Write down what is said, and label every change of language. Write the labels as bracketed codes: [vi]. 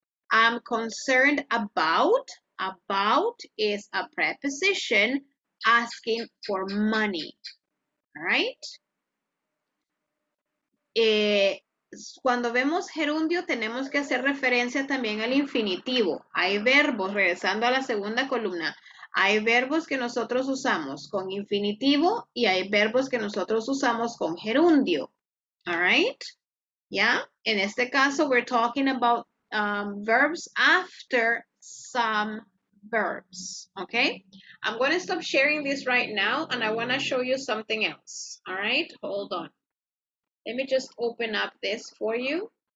[en] I'm concerned about, is a preposition asking for money, right? [es] Cuando vemos gerundio, tenemos que hacer referencia también al infinitivo. Hay verbos, regresando a la segunda columna, hay verbos que nosotros usamos con infinitivo y hay verbos que nosotros usamos con gerundio. [en] All right? Yeah? [es] En este caso, [en] we're talking about verbs after some verbs. Okay? I'm going to stop sharing this right now and I want to show you something else. All right? Hold on. Let me just open up this for you.